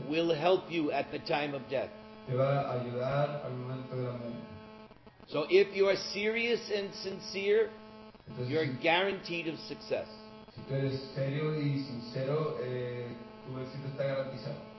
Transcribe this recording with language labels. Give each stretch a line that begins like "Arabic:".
English: will help you at the time of death.
Spanish: Te va a ayudar al momento de la muerte.
English: So if you are serious and sincere,
Spanish: entonces,
English: you're guaranteed of success.
Spanish: Si tú eres serio y sincero, tu éxito está garantizado.